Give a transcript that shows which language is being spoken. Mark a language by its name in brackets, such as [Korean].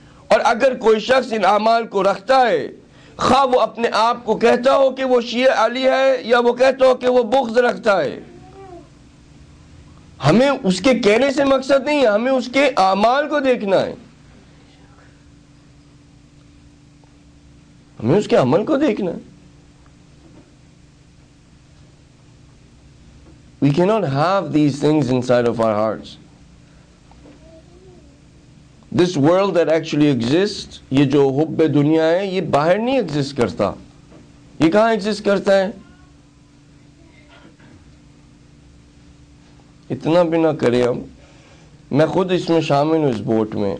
[Hindi] और अगर कोई शख्स इन आमाल को रखता है, खा वो अपने आप को कहता हो कि वो शिया अली है या वो कहता हो कि वो बुख्ज रखता है, हमें उसके कहने से मकसद नहीं है, हमें उसके आमाल को देखना है, हमें उसके अमल को देखना है। [English] We cannot have these things inside of our hearts. This world that actually exists, [Hindi] ये जो हुब्बे दुनिया है, ये बाहर नहीं exist करता। ये कहाँ exist करता है? इतना भी ना करें हम, मैं खुद इसमें शामिल हूँ, इस बोट में।